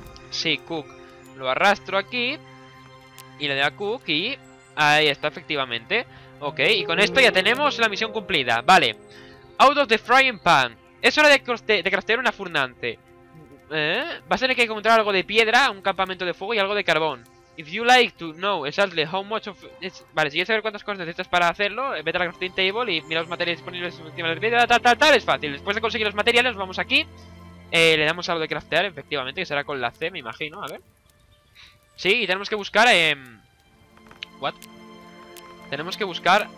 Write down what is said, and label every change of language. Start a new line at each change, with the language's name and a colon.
Spanish: Sí, cook. Lo arrastro aquí. Y le doy a cook y... Ahí está, efectivamente. Ok, y con esto ya tenemos la misión cumplida. Vale.
English: Out of the frying pan.
Spanish: Es hora de craftear una furnace. ¿Eh? Vas a tener que encontrar algo de piedra, un campamento de fuego y algo de carbón.
English: If you like to know exactly how much of...
Spanish: Vale, si quieres saber cuántas cosas necesitas para hacerlo, vete a la crafting table y mira los materiales disponibles encima de la piedra, tal, tal, tal. Es fácil. Después de conseguir los materiales, vamos aquí. Le damos algo de craftear, efectivamente, que será con la C, me imagino. A ver. Sí, y tenemos que buscar... ¿What? Tenemos que buscar...